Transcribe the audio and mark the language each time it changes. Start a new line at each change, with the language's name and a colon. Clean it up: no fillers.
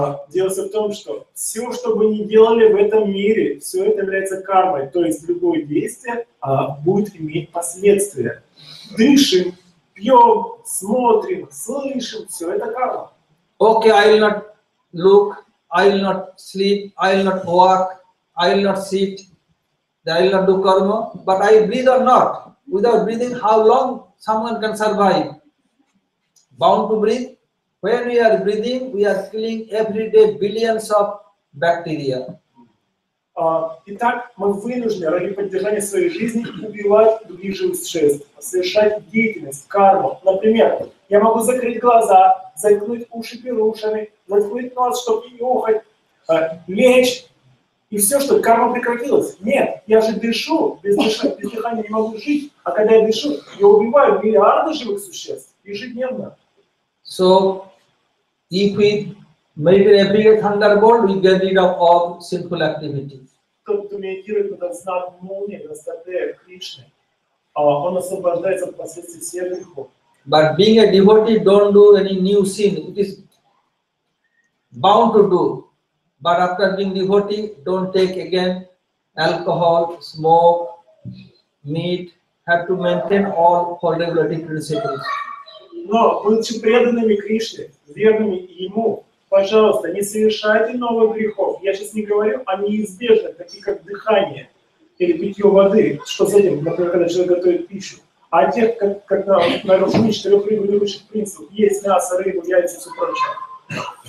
Russian: Дело в том, что все, что вы не делали в этом мире, все это является кармой, то есть любое действие будет иметь последствия. Дышим, пьем, смотрим, слышим, все это карма.
English: Okay, I will not look, I will not sleep, I will not walk, I will not sit, I will not do karma, but I breathe or not? Without breathing, how long someone can survive? Bound to breathe? When we are breathing, we are killing every day billions of bacteria.
Russian: Итак, мы вынуждены ради поддержания своей жизни убивать других живых существ, совершать деятельность, карму. Например, я могу закрыть глаза, заткнуть уши перушами, заткнуть нос, чтобы нюхать, лечь, и все, что карма прекратилась. Нет, я же дышу, без дыхания не могу жить, а когда я дышу, я убиваю миллиарды живых существ ежедневно.
English: So, if we make a big thunderbolt, we get rid of all sinful activity.
Russian: Тот, кто медитирует на этот знак молнии, красоты Кришны, он освобождается от последствий всех грехов.
English: But being a devotee, don't do any new sin. It is bound to do. But after being devotee, don't take again alcohol, smoke, meat. Have to maintain all four regulatory principles.
Russian: Но будучи преданными Кришне, верными Ему, пожалуйста, не совершайте новых грехов. Я сейчас не говорю о неизбежных, таких как дыхание или питье воды. Что с этим, например, когда человек готовит пищу? А тех, когда нарушены четырех регулирующих принципов, есть мясо, рыбу, яйца и все прочее.